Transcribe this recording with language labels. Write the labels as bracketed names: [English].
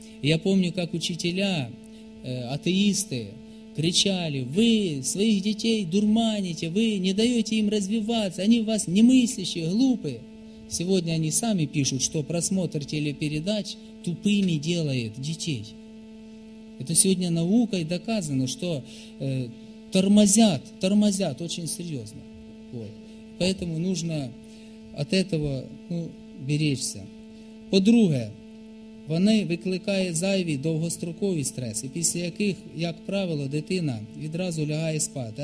[Ukrainian] Я пам'ятаю, як учителі, атеїсти, кричали, ви своїх дітей дурманите, ви не даєте їм розвиватися, вони у вас не мислящі, глупі. Сьогодні вони самі пишуть, що просмотр телепередач тупими робить дітей. [Russian] Это сегодня наукой доказано, что тормозят очень серьезно. Вот. Поэтому нужно от этого беречься. [Ukrainian] По-друге, вони викликають зайві довгострокові стреси, після яких, як правило, дитина відразу лягає спати.